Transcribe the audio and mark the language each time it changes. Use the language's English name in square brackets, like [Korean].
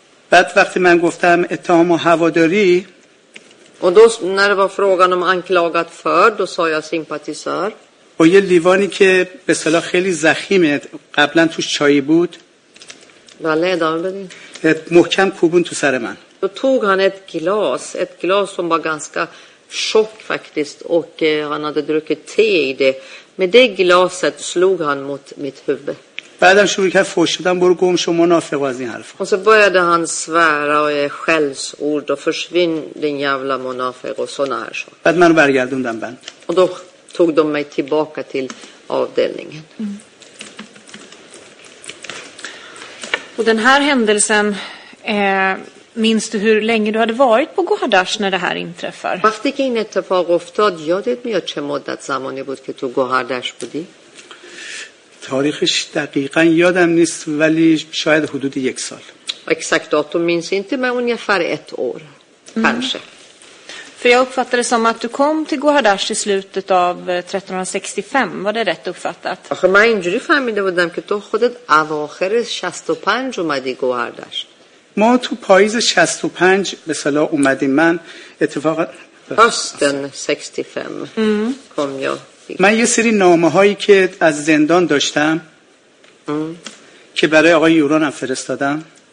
[Persian] بعد وقتی من گفتم اتهام و هواداری [Swedish] och då när det var frågan om anklagad för då sa jag sympatisör. [Persian] Och یه لیوانی که به اصطلاح خیلی ضخیمه قبلا توش چای بود. بله ادامه بدین. ات محکم کوبون تو سر من. [Swedish] Då tog han ett glas som var ganska chock faktiskt och han hade druckit te i det. Med det glaset slog han mot mitt huvud. [Persian] بعدم شروع کرد فحش دادن برو گم شو منافق از این حرفا. [Swedish] Och så började han svära och skällsord och försvinn din jävla munafiq och såna här saker. [Persian] بعد منو برگردوندن بند. [Swedish] Och då tog de mig tillbaka till avdelningen. Mm. Och den här händelsen minns du hur länge du hade varit på Gohardasht när det här inträffar? [Persian] وقتی که این اتفاق افتاد یادت میاد چه مدت زمانی بود که تو گوهردشت بودی؟ تاریخش دقیقاً یادم نیست ولی شاید حدود یک سال. [Swedish] Exakt datum minns inte men ungefär ett år kanske. För jag uppfattade som att du kom till Gohardasht i slutet av 1365, var det rätt uppfattat? [Persian] آخه من اینجوری فهمیده بودم که تو خودت اواخر 65 اومدی گوهردشت. ما تو پاییز 65 به صلاح اومدیم من اتفاقا هستن 65 کم یا من یه سری نامه هایی که از زندان داشتم که برای آقای یوران هم فرستادم